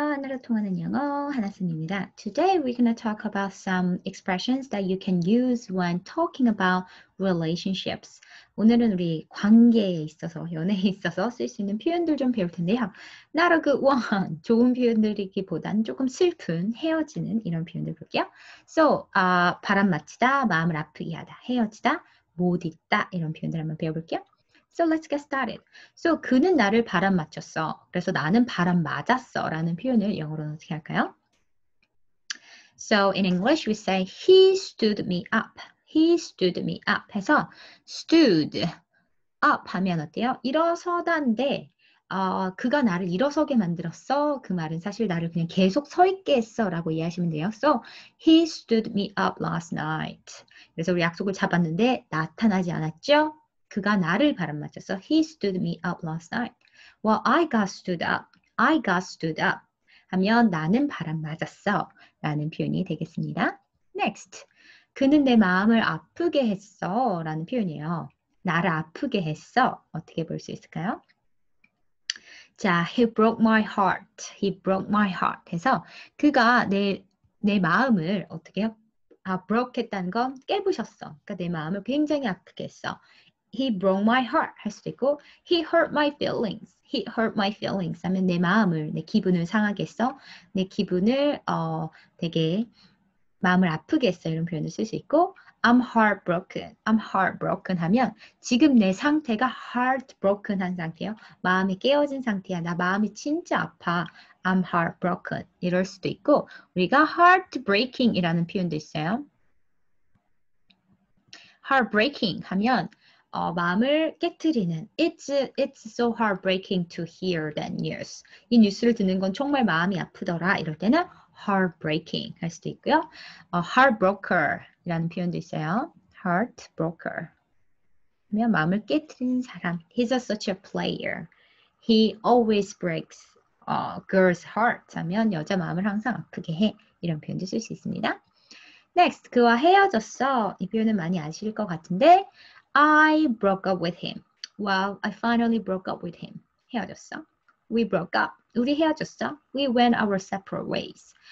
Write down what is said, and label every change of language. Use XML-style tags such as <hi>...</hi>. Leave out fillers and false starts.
<ko>하나로 통하는 영어, 하나쌤입니다.</ko> <en>Today, we're going to talk about some expressions that you can use when talking about relationships.</en> <ko>오늘은 우리 관계에 있어서, 연애에 있어서 쓸수 있는 표현들 좀 배울 텐데요.</ko> <en>Not a good one.</en> <ko>좋은 표현들이기보단 조금 슬픈 헤어지는 이런 표현들 볼게요. So, 바람 맞히다, 마음을 아프게 하다, 헤어지다, 못 있다 이런 표현들 한번 배워볼게요.</ko> <en>So let's get started.</en> <ko>So 그는 나를 바람 맞췄어. 그래서 나는 바람 맞았어 라는 표현을 영어로는 어떻게 할까요?</ko> <en>So in English we say he stood me up. He stood me up</en> <ko>해서</ko> <en>stood up</en> <ko>하면 어때요? 일어서다인데 그가 나를 일어서게 만들었어. 그 말은 사실 나를 그냥 계속 서 있게 했어 라고 이해하시면 돼요.</ko> <en>So he stood me up last night.</en> <ko>그래서 우리 약속을 잡았는데 나타나지 않았죠? 그가 나를 바람 맞췄어.</ko> <en>He stood me up last night. Well, I got stood up. I got stood up.</en> <ko>하면 나는 바람 맞았어. 라는 표현이 되겠습니다.</ko> <en>Next.</en> <ko>그는 내 마음을 아프게 했어. 라는 표현이에요. 나를 아프게 했어. 어떻게 볼수 있을까요?</ko> <en>자, He broke my heart. He broke my heart.</en> <ko>해서 그가 내 마음을 어떻게 해요? 아, broke 했다는 건 깨부셨어. 그러니까 내 마음을 굉장히 아프게 했어.</ko> <en>He broke my heart</en> <ko>할 수도 있고</ko> <en>He hurt my feelings. He hurt my feelings</en> <ko>하면 내 마음을, 내 기분을 상하게 했어. 내 기분을 되게 마음을 아프게 했어. 이런 표현을 쓸수 있고</ko> <en>I'm heartbroken. I'm heartbroken</en> <ko>하면 지금 내 상태가 heartbroken한 상태예요. 마음이 깨어진 상태야. 나 마음이 진짜 아파.</ko> <en>I'm heartbroken.</en> <ko>이럴 수도 있고 우리가 heartbreaking이라는 표현도 있어요.</ko> <en>heartbreaking</en> <ko>하면 마음을 깨뜨리는</ko> <en>It's so heartbreaking to hear that news.</en> <ko>이 뉴스를 듣는 건 정말 마음이 아프더라. 이럴 때는 heartbreaking 할 수도 있고요. Heartbroker이라는 표현도 있어요. Heartbroker 하면 마음을 깨뜨리는 사람.</ko> <en>He's such a player. He always breaks girls' hearts</en> <ko>하면 여자 마음을 항상 아프게 해. 이런 표현도 쓸수 있습니다. Next, 그와 헤어졌어. 이 표현은 많이 아실 것 같은데</ko> <en>I broke up with him. Well, I finally broke up with him.</en> <ko>헤어졌어.</ko> <en>We broke up.</en> <ko>우리 헤어졌어.</ko> <en>We went our separate ways.</en>